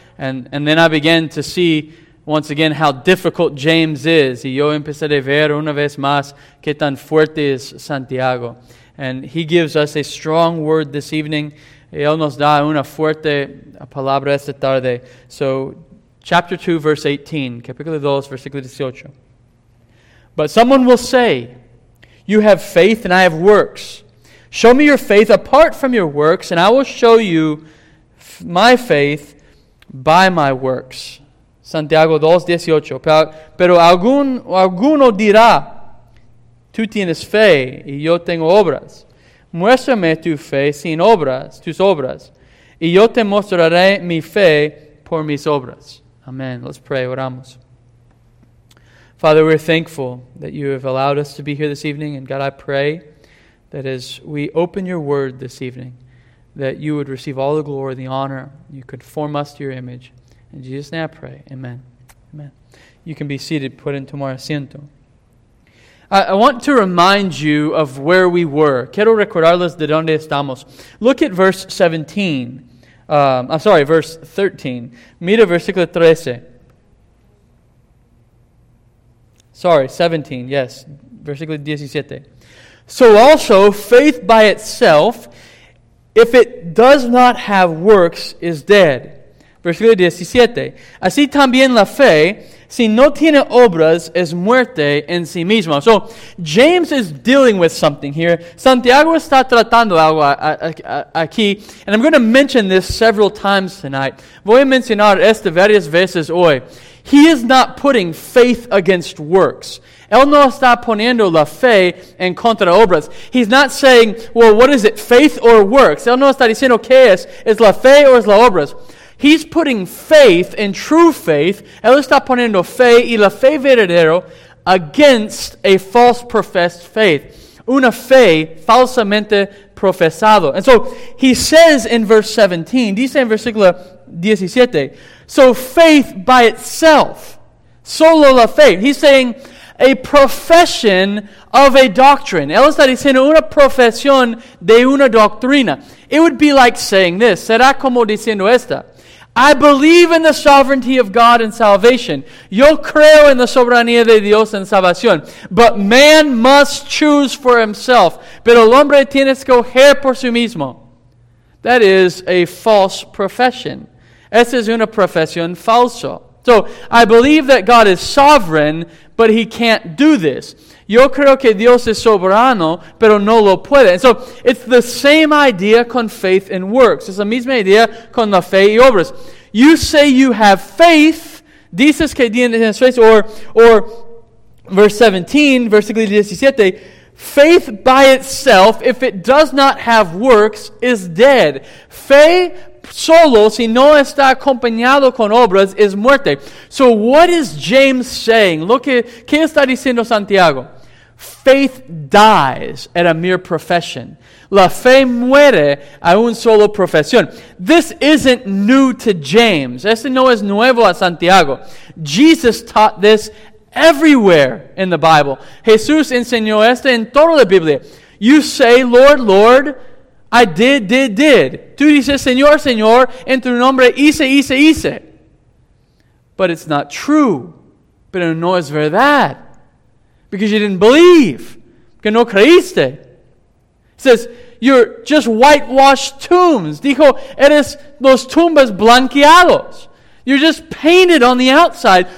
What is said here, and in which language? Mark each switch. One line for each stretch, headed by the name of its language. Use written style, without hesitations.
English: And then I began to see once again how difficult James is.
Spanish: Y yo empecé a ver una vez más qué tan fuerte es Santiago.
English: And he gives us a strong word this evening.
Spanish: Él nos da una fuerte palabra esta tarde.
English: So, chapter 2, verse 18.
Spanish: Capítulo 2, versículo 18.
English: But someone will say, "You have faith and I have works. Show me your faith apart from your works, and I will show you my faith by my works."
Spanish: Santiago 2, 18. Pero alguno dirá, "Tú tienes fe y yo tengo obras. Muéstrame tu fe sin obras, tus obras, y yo te mostraré mi fe por mis obras."
English: Amen. Let's pray.
Spanish: Oramos.
English: Father, we're thankful that you have allowed us to be here this evening. And God, I pray that as we open your word this evening, that you would receive all the glory, the honor. You could form us to your image. In Jesus' name I pray. Amen. Amen. You can be seated.
Spanish: Put in tomar asiento.
English: I want to remind you of where we were.
Spanish: Quiero recordarles de donde estamos.
English: Look at verse 17. Verse 13.
Spanish: Mira versículo 13.
English: Sorry, 17. Yes,
Spanish: versículo 17.
English: So also, faith by itself, if it does not have works, is dead.
Spanish: Versículo 17. Así también la fe, si no tiene obras, es muerte en sí mismo.
English: So, James is dealing with something here.
Spanish: Santiago está tratando algo aquí.
English: And I'm going to mention this several times tonight.
Spanish: Voy a mencionar esto varias veces hoy.
English: He is not putting faith against works.
Spanish: Él no está poniendo la fe en contra obras.
English: He's not saying, well, what is it, faith or works?
Spanish: Él no está diciendo, ¿qué es la fe o es la obras?
English: He's putting faith and true faith,
Spanish: él está poniendo fe y la fe verdadero
English: against a false professed faith.
Spanish: Una fe falsamente profesado.
English: And so he says in verse 17,
Spanish: dice en versículo 17,
English: so faith by itself,
Spanish: solo la fe.
English: He's saying a profession of a doctrine.
Spanish: Él está diciendo una profesión de una doctrina.
English: It would be like saying this.
Spanish: Será como diciendo esta.
English: I believe in the sovereignty of God and salvation.
Spanish: Yo creo en la soberanía de Dios en salvación.
English: But man must choose for himself.
Spanish: Pero el hombre tiene que escoger por sí mismo.
English: That is a false profession.
Spanish: Esa es una profesión falsa.
English: So, I believe that God is sovereign, but he can't do this.
Spanish: Yo creo que Dios es soberano, pero no lo puede.
English: So, it's the same idea con faith and works.
Spanish: Es la misma idea con la fe y obras.
English: You say you have faith,
Spanish: dices que tienes faith,
English: or verse 17,
Spanish: versículo 17,
English: faith by itself, if it does not have works, is dead.
Spanish: Fe solo, si no está acompañado con obras, es muerte.
English: So, what is James saying?
Spanish: Lo que, ¿qué está diciendo Santiago?
English: Faith dies at a mere profession.
Spanish: La fe muere a un solo profesión.
English: This isn't new to James.
Spanish: Este no es nuevo a Santiago.
English: Jesus taught this everywhere in the Bible.
Spanish: Jesús enseñó esto en toda la Biblia.
English: You say, Lord, Lord, I did.
Spanish: Tú dices, Señor, Señor, en tu nombre, hice.
English: But it's not true.
Spanish: Pero no es verdad.
English: Because you didn't believe.
Spanish: Que no creíste.
English: It says, you're just whitewashed tombs.
Spanish: Dijo, eres los tumbas blanqueados.
English: You're just painted on the outside.